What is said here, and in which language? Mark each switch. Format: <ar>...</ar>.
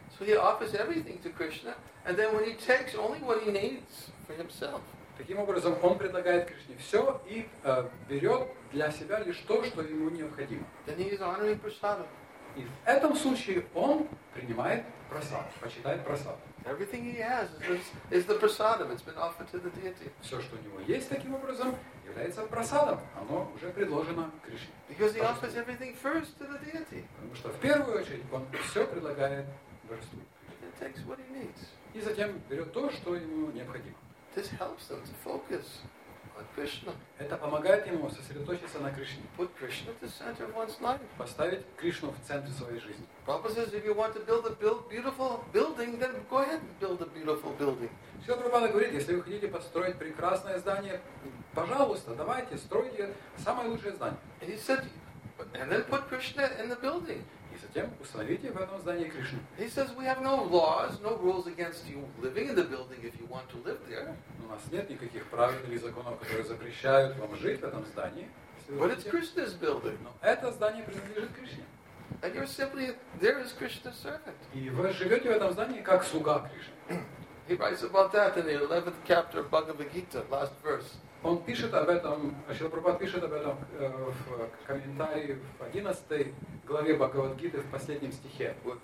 <en>So he offers everything to Krishna, and then when he takes only what he needs for himself.</en> <ru>Таким образом, он предлагает Кришне все и берет для себя лишь то, что ему необходимо.</ru> <en>Then he is honoring prasada.</en> <ru>И в этом случае он принимает прасад, почитает прасад.</ru> <en>Everything he has is the prasadam. It's been offered to the deity.</en> <ru>Все, что у него есть, таким образом, является прасадом. Оно уже предложено Кришне.</ru> <en>Because he offers everything first to the deity.</en> <ru>Потому что в первую очередь он все предлагает.</ru> <en>And takes what he needs.</en> <ru>И затем берет то, что ему необходимо.</ru> <en>This helps them to focus on Krishna.</en> <ru>Это помогает ему сосредоточиться на Кришне.</ru> <en>Put Krishna at the center of one's life.</en> <ru>Поставить Кришну в центре своей жизни.</ru> <en>Prabhupada says, if you want to build a beautiful building, then go ahead and build a beautiful building.</en> <ru>Шрила Прабхупада говорит, если вы хотите построить прекрасное здание, пожалуйста, давайте стройте самое лучшее здание.</ru> <en>And he said, and then put Krishna in the building.</en> <ru>И затем установите в этом здании Кришну.</ru> <en>He says we have no laws, no rules against you living in the building if you want to live there.</en> <ru>У нас нет никаких правил или законов, которые запрещают вам жить в этом здании.</ru> <en>But it's Krishna's building.</en> <ru>Но это здание принадлежит Кришне.</ru> <en>And you're simply there as Krishna's servant.</en> <ru>И вы живете в этом здании как слуга Кришны.</ru> <en>He writes about that in the 11th chapter of Bhagavad Gita, last verse.</en> <ru>Он пишет об этом, Шрила Прабхупада пишет об этом в комментарии в 11 главе Бхагавад-гиты в последнем стихе.</ru>